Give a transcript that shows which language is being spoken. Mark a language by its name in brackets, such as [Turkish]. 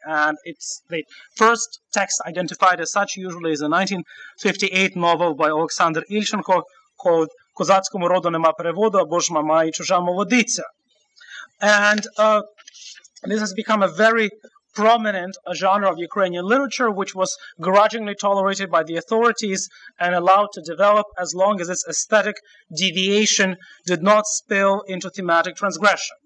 [English] And it's the first text identified as such usually is a 1958 novel by Alexander Ilchenko called [Ukrainian] козацькому роду нема переводу, або ж мама і чужа молодиця. [English] And this has become a very prominent genre of Ukrainian literature, which was grudgingly tolerated by the authorities and allowed to develop as long as its aesthetic deviation did not spill into thematic transgression.